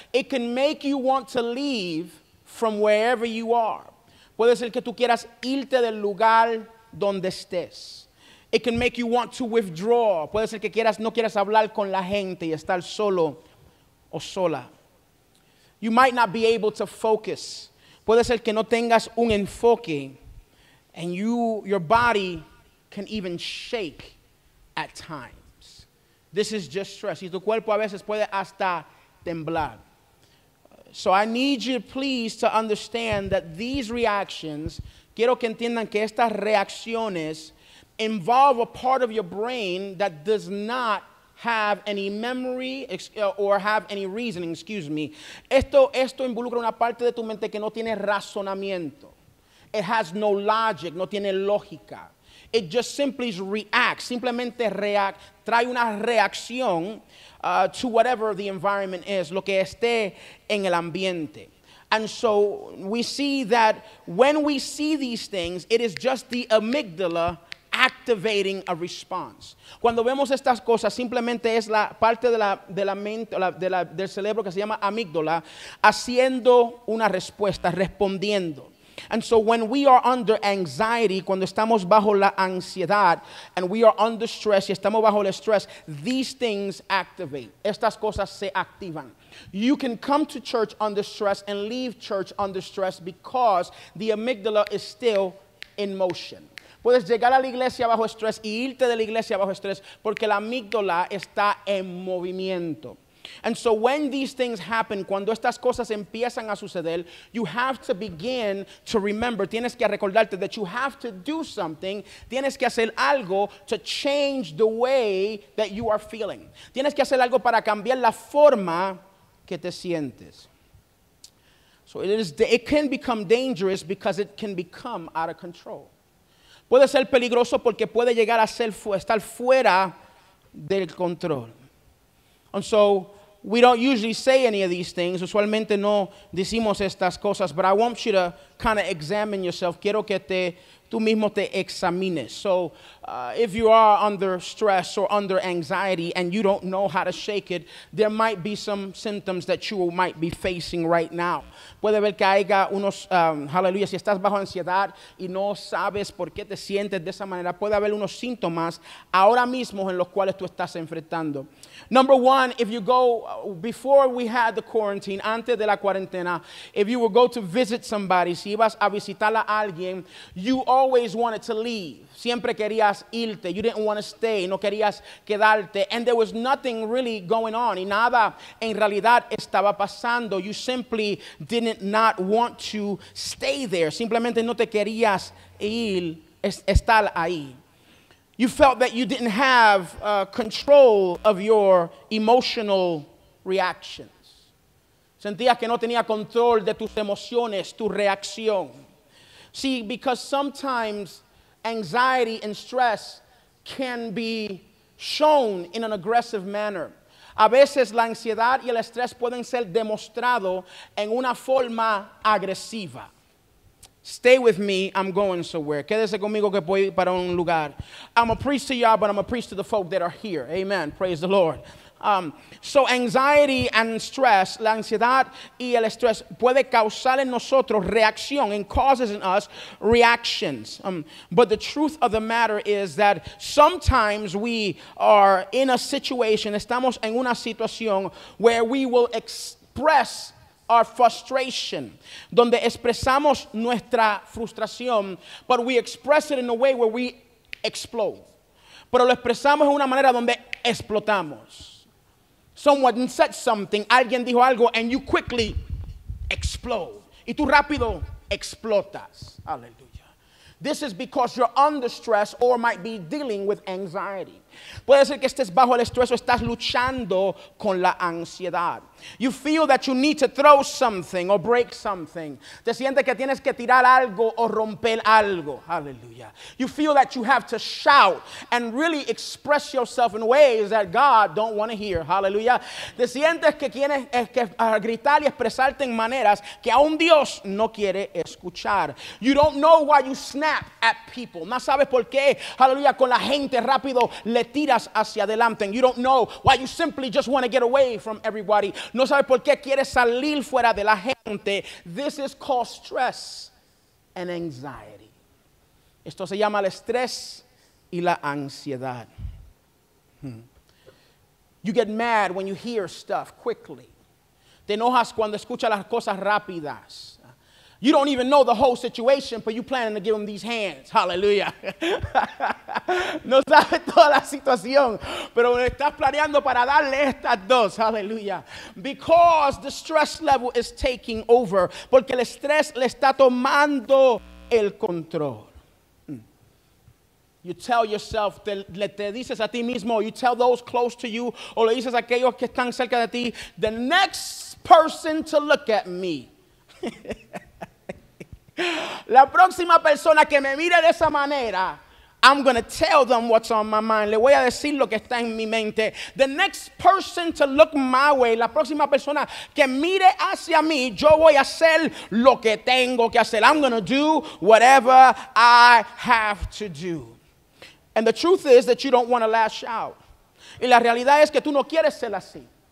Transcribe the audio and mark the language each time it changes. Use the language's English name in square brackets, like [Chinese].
[English] It can make you want to leave from wherever you are. [Spanish] Puede ser que tú quieras irte del lugar donde estés. [English] It can make you want to withdraw. [Spanish] Puede ser que no quieras hablar con la gente y estar solo o sola. [English] You might not be able to focus. [Spanish] Puede ser que no tengas un enfoque. [English] And your body can even shake at times. This is just stress. [Spanish] Y tu cuerpo a veces puede hasta temblar. [English] So I need you please to understand that these reactions, [Spanish] quiero que entiendan que estas reacciones [English] involve a part of your brain that does not have any memory or have any reasoning, excuse me. [Spanish] Esto involucra una parte de tu mente que no tiene razonamiento. [English] It has no logic, [Spanish] no tiene lógica. [English] It just simply reacts. [Spanish] Simplemente trae una reacción [English] to whatever the environment is, [Spanish] lo que esté en el ambiente. [English] And so we see that when we see these things, it is just the amygdala activating a response. [Spanish] Cuando vemos estas cosas, simplemente es la parte de la mente, del cerebro que se llama amígdala, haciendo una respuesta, respondiendo. [English] And so when we are under anxiety, [Spanish] cuando estamos bajo la ansiedad, [English] and we are under stress, [Spanish] y estamos bajo el estrés, [English] these things activate. [Spanish] Estas cosas se activan. [English] You can come to church under stress and leave church under stress because the amygdala is still in motion. [Spanish] Puedes llegar a la iglesia bajo estrés y irte de la iglesia bajo estrés porque la amígdala está en movimiento. [English] And so when these things happen, [Spanish] cuando estas cosas empiezan a suceder, [English] you have to begin to remember, [Spanish] tienes que recordarte [English] that you have to do something, [Spanish] tienes que hacer algo [English] to change the way that you are feeling. [Spanish] Tienes que hacer algo para cambiar la forma que te sientes. [English] So it can become dangerous because it can become out of control. [Spanish] Puede ser peligroso porque puede llegar a ser estar fuera del control. [English] And so we don't usually say any of these things. [Spanish] Usualmente no decimos estas cosas, [English] but I want you to kind of examine yourself. [Spanish] Quiero que tú mismo te examines. [English] So if you are under stress or under anxiety and you don't know how to shake it, there might be some symptoms that you might be facing right now. [Spanish] Puede ver que haya unos, hallelujah, si estás bajo ansiedad y no sabes por qué te sientes de esa manera, puede haber unos síntomas ahora mismo en los cuales tú estás enfrentando. [English] Number one, if you go, before we had the quarantine, [Spanish] antes de la cuarentena, [English] if you would go to visit somebody, [Spanish] si ibas a visitar a alguien, [English] you always wanted to leave. [Spanish] Siempre querías irte. [English] You didn't want to stay. [Spanish] No querías quedarte. [English] And there was nothing really going on. [Spanish] Y nada en realidad estaba pasando. [English] You simply didn't not want to stay there. [Spanish] Simplemente no te querías ir, estar ahí. [English] You felt that you didn't have control of your emotional reactions. [Spanish] Sentías que no tenía control de tus emociones, tu reacción. [English] See, because sometimes anxiety and stress can be shown in an aggressive manner. [Spanish] A veces la ansiedad y el estrés pueden ser demostrado en una forma agresiva. [English] Stay with me, I'm going somewhere. [Spanish] Quédese conmigo que voy para un lugar. [English] I'm a priest to y'all, but I'm a priest to the folk that are here. Amen. Praise the Lord. So anxiety and stress, [Spanish] la ansiedad y el estrés puede causar en nosotros reacción [English] and causes in us reactions. But the truth of the matter is that sometimes we are in a situation, [Spanish] estamos en una situación [English] where we will express our frustration, [Spanish] donde expresamos nuestra frustración, [English] but we express it in a way where we explode. [Spanish] Pero lo expresamos de una manera donde explotamos. [English] Someone said something, [Spanish] alguien dijo algo, [English] and you quickly explode. [Spanish] Y tú rápido explotas. Hallelujah. [English] This is because you're under stress or might be dealing with anxiety. [Spanish] Puede ser que estés bajo el estrés o estás luchando con la ansiedad. [English] You feel that you need to throw something or break something. [Spanish] Te sientes que tienes que tirar algo o romper algo. [English] Hallelujah. You feel that you have to shout and really express yourself in ways that God don't want to hear. Hallelujah. [Spanish] Te sientes que tienes que gritar y expresarte en maneras que aún Dios no quiere escuchar. [English] You don't know why you snap at people. [Spanish] No sabes por qué, hallelujah, con la gente rápido le tiras hacia adelante. [English] You don't know why you simply just want to get away from everybody. [Spanish] No sabes por qué quieres salir fuera de la gente. [English] This is called stress and anxiety. [Spanish] Esto se llama el estrés y la ansiedad. [English] You get mad when you hear stuff quickly. [Spanish] Te enojas cuando escuchas las cosas rápidas. [English] You don't even know the whole situation, but you're planning to give them these hands. Hallelujah. [Spanish] No sabes toda la situación, pero estás planeando para darle estas dos. Hallelujah. [English] Because the stress level is taking over. [Spanish] Porque el estrés le está tomando el control. [English] You tell yourself, [Spanish] te dices a ti mismo, [English] you tell those close to you, [Spanish] o le dices a aquellos que están cerca de ti, [English] the next person to look at me. [Spanish] La próxima persona que me mire de esa manera, [English] I'm going to tell them what's on my mind. [Spanish] Le voy a decir lo que está en mi mente. [English] The next person to look my way, [Spanish] la próxima persona que mire hacia mí, yo voy a hacer lo que tengo que hacer. [English] I'm going to do whatever I have to do. And the truth is that you don't want to lash out. [Spanish] Y la realidad es que tú no quieres ser así.